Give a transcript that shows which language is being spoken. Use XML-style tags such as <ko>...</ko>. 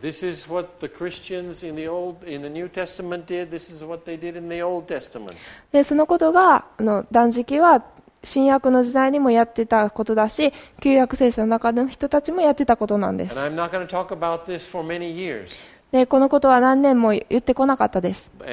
<en>This is what the Christians in the New Testament did. This is what they did in the Old Testament.</en> <ja>でそのことが断食は新約の時代にもやってたことだし、旧約聖書の中の人たちもやってたことなんです。</ja> <en>And I'm not going to talk about this for many years.</en> <ja>でこのことは何年も言ってこなかったです。</ja>